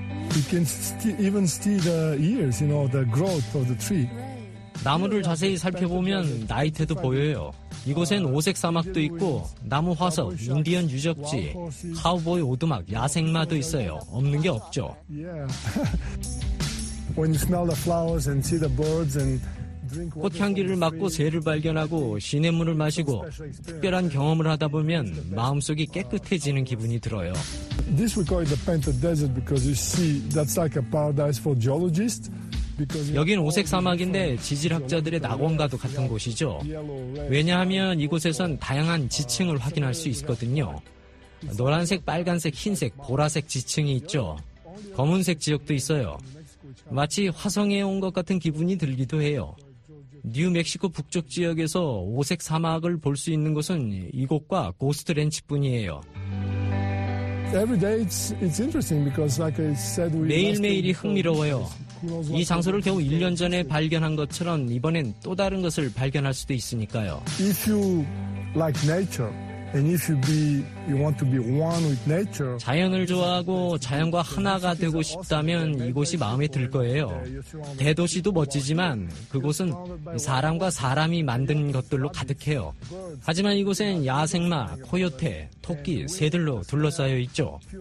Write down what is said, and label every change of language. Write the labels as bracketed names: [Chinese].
[English] You can even see the ears, you know, the growth of the tree. [Korean] 나무를 자세히 살펴보면 나이테도 보여요. 이곳엔 오색 사막도 있고 나무 화석, 인디언 유적지, 카우보이 오두막, 야생마도 있어요. 없는 게 없죠. [English] When you smell the flowers and see the birds and [Korean] 꽃향기를 맡고 새를 발견하고 시냇 물을 마시고 특별한 경험을 하다 보면 마음속이 깨끗해지는 기분이 들어요. [English] This we call it the Painted Desert because you see that's like a paradise for geologists. [Korean] 여긴 오색 사막인데 지질학자들의 낙원가도 같은 곳이죠. 왜냐하면 이곳에선 다양한 지층을 확인할 수 있거든요. 노란색, 빨간색, 흰색, 보라색 지층이 있죠. 검은색 지역도 있어요. 마치 화성에 온 것 같은 기분이 들기도 해요. 뉴멕시코 북쪽 지역에서 오색 사막을 볼 수 있는 곳은 이곳과 고스트렌치뿐이에요. [English] Every day it's interesting because like I said we [Korean] 매일매일이 흥미로워요. 이 장소를 겨우 1년 전에 발견한 것처럼 이번엔 또 다른 것을 발견할 수도 있으니까요. [English] If you like nature and if you want to be one with nature [Korean] 자연을 좋아하고 자연과 하나가 되고 싶다면 이곳이 마음에 들 거예요. 대도시도 멋지지만 그곳은 사람과 사람이 만든 것들로 가득해요. 하지만 이곳엔 야생마, 코요테, 토끼, 새들로 둘러싸여 있죠.